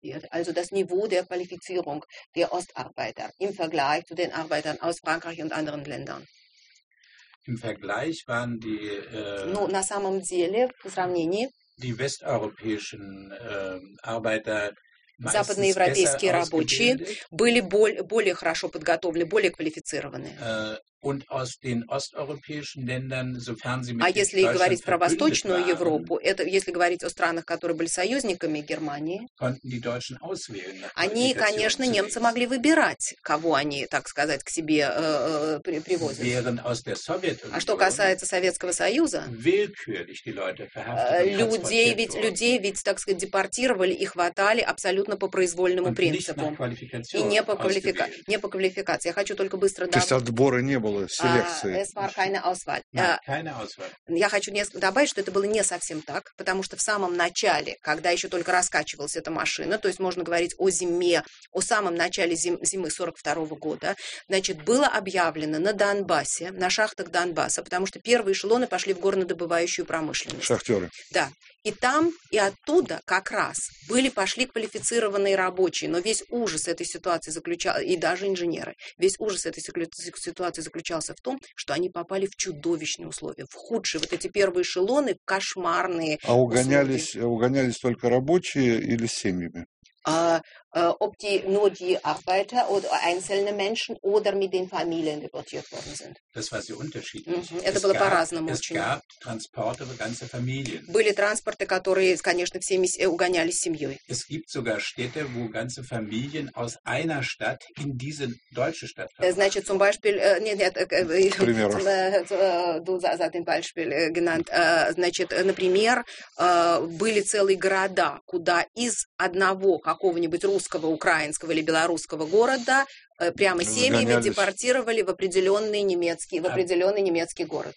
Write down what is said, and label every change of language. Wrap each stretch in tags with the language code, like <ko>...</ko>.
<de>Also das Niveau der Qualifizierung der Ostarbeiter im Vergleich zu den Arbeitern aus Frankreich und anderen Ländern. Im Vergleich waren die</de> <ru>на самом деле, в сравнении,</ru> <de>die westeuropäischen Arbeiter meistens</de> <ru>западноевропейские рабочие были более хорошо подготовлены, более квалифицированы.</ru> <de>Und aus den osteuropäischen Ländern, sofern sie mit Deutschland verbündet waren,</de> <ru>говорить про восточную Европу, это если говорить о странах, которые были союзниками Германии,</ru> <de>konnten die Deutschen auswählen.</de> <ru>Они, конечно, немцы могли выбирать, кого они, так сказать, к себе привозят.</ru> <de>Während aus der Sowjetunion,</de> <ru>а что касается Советского Союза,</ru> <de>willkürlich die Leute verhaftet,</de> <ru>людей ведь, так сказать, депортировали и хватали абсолютно по произвольному принципу. И не по квалификации. Я хочу только быстро добавить. Не было селекции.</ru> <de>Es war keine Auswahl. Keine Auswahl.</de> <ru>Я хочу добавить, что это было не совсем так, потому что в самом начале, когда еще только раскачивалась эта машина, то есть можно говорить о зиме, о самом начале зимы 42-го года, значит, было объявлено на Донбассе, на шахтах Донбасса, потому что первые эшелоны пошли в горнодобывающую промышленность. Шахтеры. Да. И там, и оттуда как раз пошли квалифицированные рабочие, но весь ужас этой ситуации заключался, и даже инженеры, весь ужас этой ситуации заключался в том, что они попали в чудовищные условия, в худшие, вот эти первые эшелоны, кошмарные. А угонялись только рабочие или с семьями?</ru> <de>Ob die nur die Arbeiter oder einzelne Menschen oder mit den Familien deportiert worden sind. Das war sehr unterschiedlich.</de> <ru>Это было по-разному.</ru> <de>Es gab Transporte für ganze Familien.</de> <ru>Были транспорты, которые, конечно, всеми угонялись с семьей.</ru> <de>Es gibt sogar Städte, wo ganze Familien aus einer Stadt in diese deutsche Stadt.</de> <ru>Значит,</ru> <de>zum Beispiel, du hast ein Beispiel genannt.</de> <ru>Значит, например, были целые города, куда из одного какого-нибудь русского, украинского или белорусского города прямо семьями сгонялись, депортировали в определенный немецкий город.</ru>